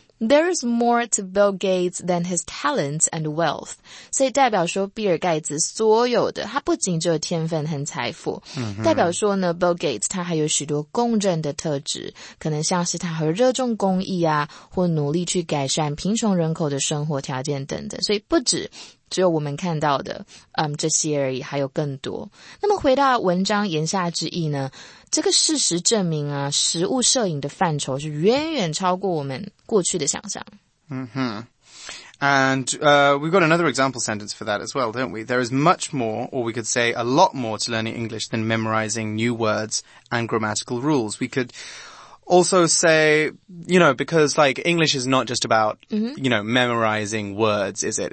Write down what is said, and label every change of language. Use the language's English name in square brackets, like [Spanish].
[English] There is more to Bill Gates than his talents and wealth. [Chinese] 所以代表说比尔盖茨所有的他不仅只有天分和财富、代表说呢 Bill Gates 他还有许多公正的特质，可能像是他很热衷公益啊，或努力去改善贫穷人口的生活条件等等，所以不止只有我们看到的这些而已，还有更多。那么回到文章言下之意呢，这个事实证明啊，实物摄影的范畴是远远超过我们过去的想象。嗯哼。 [English] And we've got another example sentence for that as well, don't we? There is much more, or we could say a lot more, to learning English than memorizing new words and grammatical rules. We could also say, you know, because, like, English is not just about, mm-hmm. you know, memorizing words, is it?